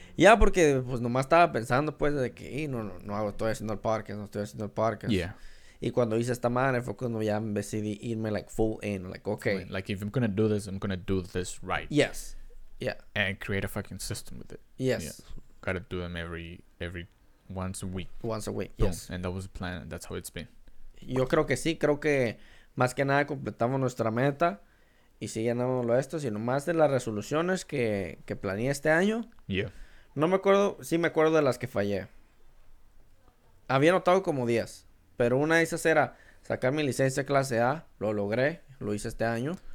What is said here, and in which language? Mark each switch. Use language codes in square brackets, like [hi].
[es] Ya, yeah, porque pues nomás estaba pensando pues de que no hago, estoy haciendo el podcast. [en] Yeah. [es] Y cuando hice esta madre fue cuando ya decidí irme [en] like full in, like okay. Like if I'm gonna do this, I'm gonna do this right. Yes. Yeah. And create a fucking system with it. Yes. Yeah. Gotta do them every once a week. Once a week, boom. Yes. And that was the plan, that's how it's been. [es] Yo creo que sí, creo que más que nada completamos nuestra meta. Y sí, llenamos lo de esto, sino más de las resoluciones que planeé este año. [en] Yeah. [es] No me acuerdo, sí me acuerdo de las que fallé. Había anotado como 10, pero una de esas era sacar mi licencia clase A, lo logré, lo hice este año.